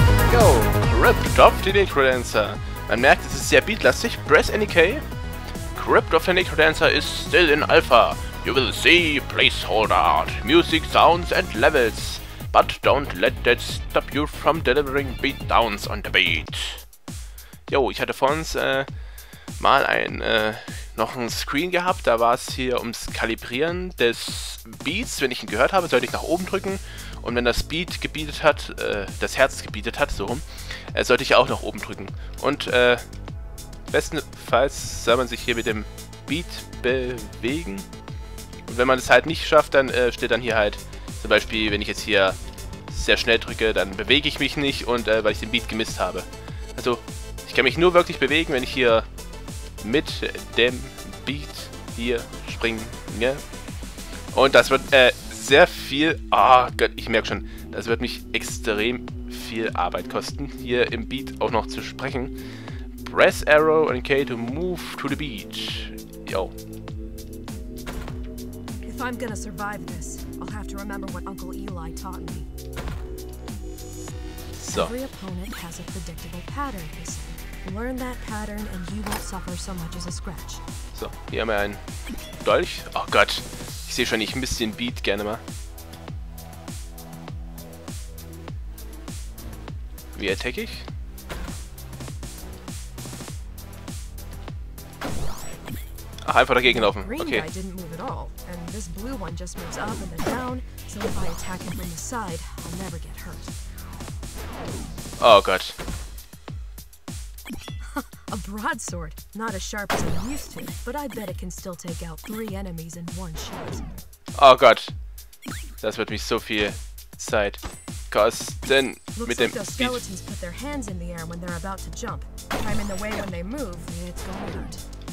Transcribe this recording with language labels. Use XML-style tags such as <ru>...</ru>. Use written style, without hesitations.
<en>Go! Crypt of the Necrodancer.</en> <de>Man merkt, es ist sehr beatlastig.</de> <en>Press any key. Crypt of the Necrodancer is still in Alpha. You will see placeholder art, music, sounds and levels. But don't let that stop you from delivering beatdowns on the beat.</en> <de>Jo, ich hatte vor uns mal ein, noch ein Screen gehabt, da war es hier ums Kalibrieren des Beats. Wenn ich ihn gehört habe, sollte ich nach oben drücken. Und wenn das Beat gebietet hat, das Herz gebietet hat, so rum, sollte ich auch nach oben drücken. Und bestenfalls soll man sich hier mit dem Beat bewegen. Und wenn man es halt nicht schafft, dann steht dann hier halt, zum Beispiel, wenn ich jetzt hier sehr schnell drücke, dann bewege ich mich nicht, und weil ich den Beat gemisst habe. Also, ich kann mich nur wirklich bewegen, wenn ich hier mit dem Beat hier springe. Und das wird sehr viel. Oh Gott, ich merke schon, das wird mich extrem viel Arbeit kosten, hier im Beat auch noch zu sprechen.</de> <en>Press Arrow and K to move to the beat. Yo. If I'm gonna survive this, I'll have to remember what Uncle Eli taught me. So. Every opponent has a predictable pattern. Learn that pattern and you won't suffer so much as a scratch.</en> <de>So, hier haben wir einen Dolch. Oh Gott, ich sehe schon, ich miss den Beat gerne mal. Wie attack ich? Ach, einfach dagegen laufen. Okay.</de> <en>Green guy didn't move at all, and this blue one just moves up and then down. So if I attack him from the side, I'll never get hurt. Oh Gott. A broadsword, not as sharp as I'm used to, but I bet it can still take out three enemies in one shot.</en> <de>Oh Gott, das wird mich so viel Zeit kosten mit dem.</de> <en>Looks like the skeletons put their hands in the air when they're about to jump. If I'm in the way when they move, it's gonna hurt.</en>